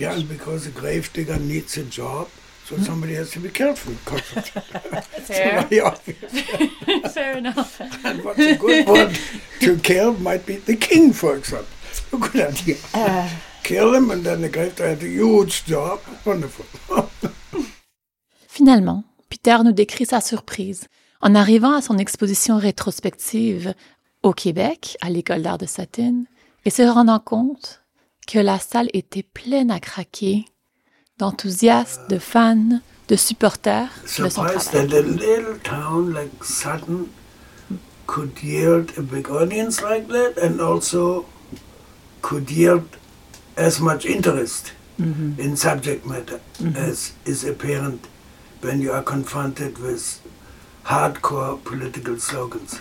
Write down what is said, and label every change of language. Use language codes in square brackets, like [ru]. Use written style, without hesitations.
[en] Yeah, and because a gravedigger needs a job. So somebody has to be careful. Fair. Fair enough. And what's a good one to kill might be the king, for example. A good idea. Kill him and then the gravedigger had a huge job. Wonderful. [fr] Finalement, Peter nous décrit sa surprise en arrivant à son exposition rétrospective au Québec, à l'École d'art de Satine, et se rendant compte que la salle était pleine à craquer d'enthousiastes, de fans, de supporters de son travail. [en] Surprised that a little town like Sutton could yield a big audience like that and also could yield as much interest in subject matter as is apparent when you are confronted with hardcore political slogans.